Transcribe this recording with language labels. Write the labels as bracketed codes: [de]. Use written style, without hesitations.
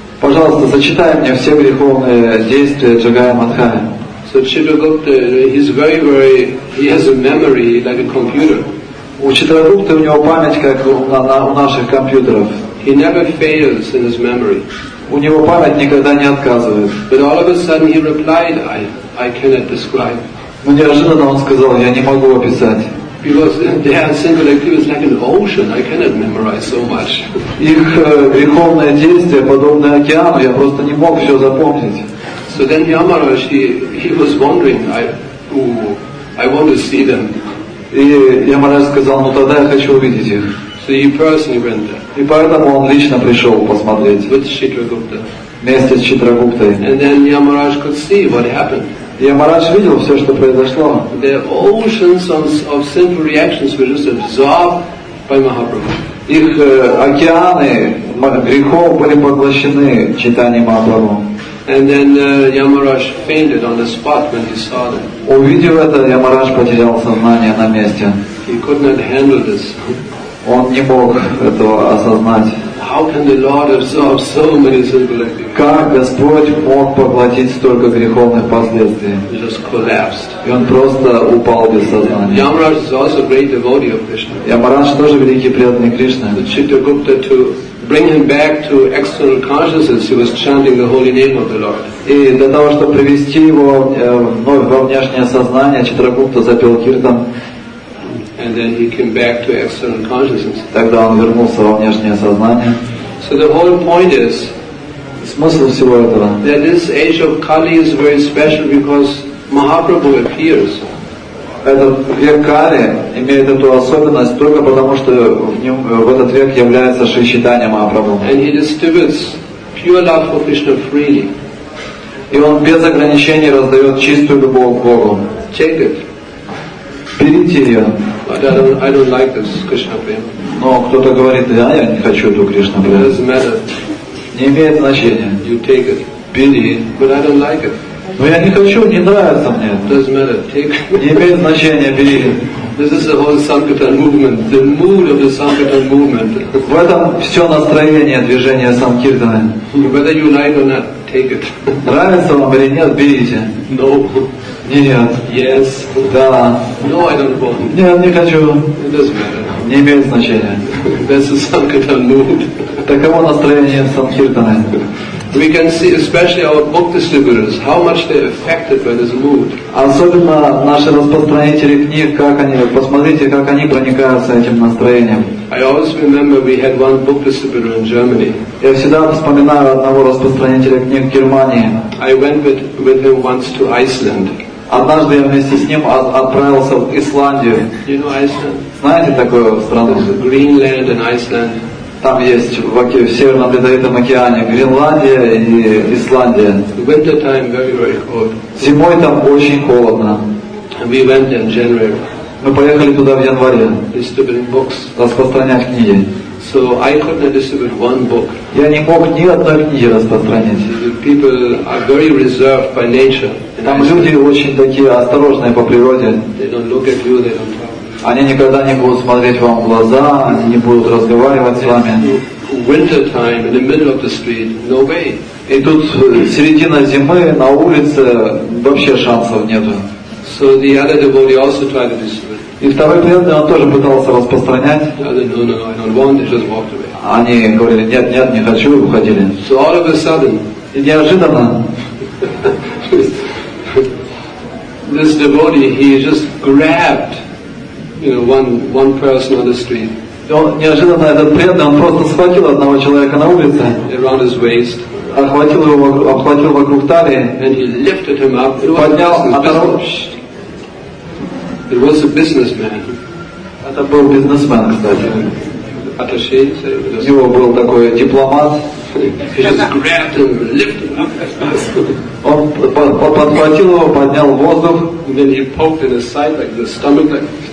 [ru] Пожалуйста, зачитай мне все греховные действия Джагая Мадхая. [en] So Читрагупта, he's very, he has a memory like a computer. [ru] У Читрагупты у него память как у наших компьютеров. [en] He never fails in his memory. [ru] У него память никогда не отказывает. [en] But all of a sudden he replied, I cannot describe. [ru] Но неожиданно он сказал, я не могу описать. [en] Because they are sinful activities like an ocean, I cannot memorize so much. [ru] Их греховное действие подобное океану, я просто не мог все запомнить. [en] So then Yamaraj, he was wondering, I want to see them. [ru] И Ямарадж сказал, ну тогда я хочу увидеть их. [en] So he personally went there. [ru] И поэтому он лично пришел посмотреть вместе с Читрагуптой. [en] And then Yamaraj could see what happened. [ru] Ямарадж видел все, что произошло. [en] The oceans of sinful reactions were just absorbed by Mahaprabhu. [ru] Их океаны грехов были поглощены Чайтаньей Махапрабху. [en] And then Yamaraj fainted on the spot when he saw them. [ru] Увидев это, Ямарадж потерял сознание на месте. [en] He could not handle this. [ru] Он не мог этого осознать. [en] How can the Lord absorb so many sinful activities? [ru] Как Господь мог поглотить столько греховных последствий? [en] He just collapsed. [ru] И он просто упал без сознания. [en] Yamaraj is also a great devotee of Krishna. [ru] Yamaraj тоже великий преданный Кришны. [en] But Chittagupta to bring him back to external consciousness, he was chanting the holy name of the Lord. [ru] И для того, чтобы привести его вновь во внешнее сознание, Читрагупта запел киртан. [en] And then he came back to external consciousness. [ru] Тогда он вернулся во внешнее сознание. [en] So the whole point is, [ru] смысл всего этого, [en] that this age of Kali is very special because Mahaprabhu appears. [ru] Этот век Кали имеет эту особенность только потому, что в нем, в этот век является Шри Чайтанья Махапрабху. [en] And he distributes pure love for Krishna freely. [ru] И он без ограничений раздает чистую любовь к Богу. [en] Take it. [ru] Берите ее. [en] But I don't like this Krishna prema. [ru] Но кто-то говорит, да, я не хочу эту Кришна прему. [en] It doesn't matter. [ru] Не имеет значения. [en] You take it. [ru] Бери. [en] But I don't like it. [ru] Но я не хочу, не нравится мне это. [en] Doesn't matter. Take it. [ru] Не имеет значения, бери. [en] This is the whole Sankirtan movement. The mood of the Sankirtan movement. [ru] В этом все настроение движения Санкиртаны. [en] Whether you like or not, take it. [ru] Нравится вам или нет, берите. [en] No. [ru] Нет. [en] Yes. [ru] Да. [en] No, I don't want. [ru] Нет, не хочу. [en] It doesn't matter. [ru] Не имеет значения. [en] That's the Sankirtan mood. [ru] Таково настроение Санкиртаны. [en] We can see, especially our book distributors, how much they are affected by this mood. [ru] Особенно наши распространители книг, как они, посмотрите, как они проникаются этим настроением. [en] I always remember we had one book distributor in Germany. [ru] Я всегда вспоминаю одного распространителя книг в Германии. [en] I went with him once to Iceland. [ru] Однажды я вместе с ним отправился в Исландию. [en] You know Iceland? [ru] Знаете такую страну? [en] Greenland and Iceland. [ru] Там есть в Северном Ледовитом океане Гренландия и Исландия. [en] Winter time, very, very cold. [ru] Зимой там очень холодно. [en] We went in January. [ru] Мы поехали туда в январе. [en] Distributing books. [ru] Распространять книги. [en] So I couldn't distribute one book. [ru] Я не мог ни одной книги распространить. [en] The people are very reserved by nature. [ru] Там люди очень такие осторожные по природе. [en] They don't look at you, they don't talk. [ru] Они никогда не будут смотреть вам в глаза, они не будут разговаривать с вами. [en] Winter time in the middle of the street, no way. [ru] И тут середина зимы, на улице вообще шансов нету. [en] So the other devotee also tried to distribute. [ru] И второй преданный, он тоже пытался распространять. [en] No, I don't want. Just walked away. [ru] Они говорили, нет, нет, не хочу, и уходили. [en] So all of a sudden, [ru] и неожиданно, [en] this devotee, he just grabbed. You know, one person on the street. [ru] Неожиданно этот преданный, он просто схватил одного человека на улице. [en] Around his waist. [ru] Охватил его, обхватил вокруг талии. [en] And he lifted him up. It was a businessman. [ru] Это был бизнесмен, кстати. [en] Attaché, [ru] у него был такой дипломат. [en] He just grabbed him, lifted him up. [ru] Он подхватил его, поднял воздух. [en] And then he poked in his side, like the stomach, like.